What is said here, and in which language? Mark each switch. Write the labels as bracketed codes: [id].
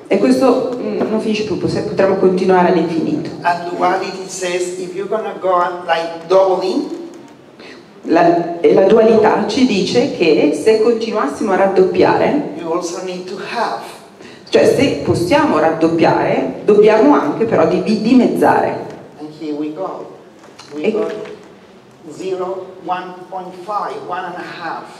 [it] E questo non finisce più, potremmo continuare all'infinito. [en] And duality says if you're gonna go on like doubling. [it] La dualità ci dice che se continuassimo a raddoppiare. [en] You also need to have. [it] Cioè se possiamo raddoppiare, dobbiamo anche però dimezzare. [en] Here we go. We got 0, 1.5, 1 and a half.